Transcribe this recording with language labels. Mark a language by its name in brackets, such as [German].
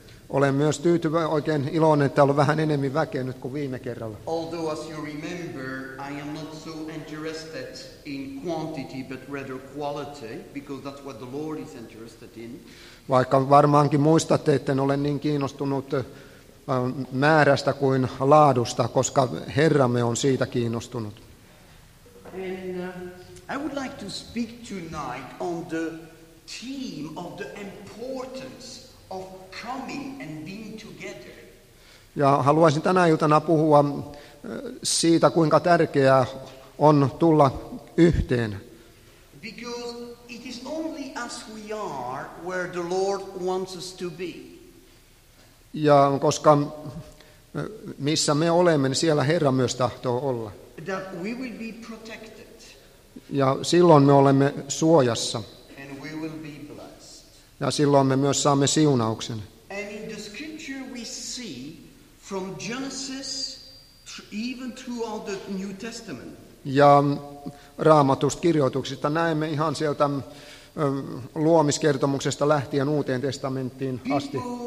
[Finnish] Olen myös tyytyväinen, oikein iloinen, että täällä on vähän enemmän väkeä nyt kuin viime kerralla. [English] Although as you remember, I am not so interested in quantity but rather quality, because that's what the Lord is interested in. [Finnish] Vaikka varmaankin muistatte, että en ole niin kiinnostunut määrästä kuin laadusta, koska Herramme on siitä kiinnostunut. [English] And I would like to speak tonight on the theme of the importance of coming and being together. [Finnish] Ja haluaisin tänä iltana puhua siitä, kuinka tärkeää on tulla yhteen. [English] Because it is only as we are where the Lord wants us to be. [Finnish] Ja koska missä me olemme, niin siellä Herra myös tahtoo olla. [English] That we will be protected. [Finnish] Ja silloin me olemme suojassa. [English] And we will be blessed. [Finnish] Ja silloin me myös saamme siunauksen. [English] And in the scripture we see from Genesis even throughout the New Testament. [Finnish] Ja Raamatusta kirjoituksista näemme ihan sieltä luomiskertomuksesta lähtien Uuteen testamenttiin asti.